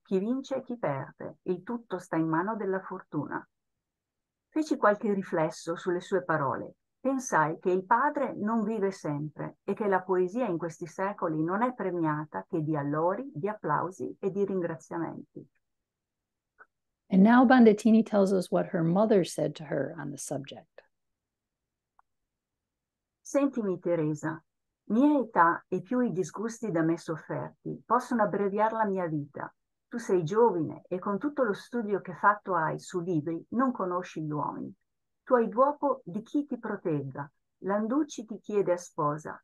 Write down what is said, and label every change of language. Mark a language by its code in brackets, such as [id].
[it] Chi vince e chi perde. Il tutto sta in mano della fortuna." Feci qualche riflesso sulle sue parole. Pensai che il padre non vive sempre e che la poesia in questi secoli non è premiata che di allori, di applausi e di ringraziamenti. [en] And now Bandettini tells us what her mother said to her on the subject. [it] Sentimi Teresa, mia età e più i disgusti da me sofferti possono abbreviare la mia vita. Tu sei giovine e con tutto lo studio che fatto hai su libri non conosci gli uomini. Tu hai duopo di chi ti protegga. Landucci ti chiede a sposa.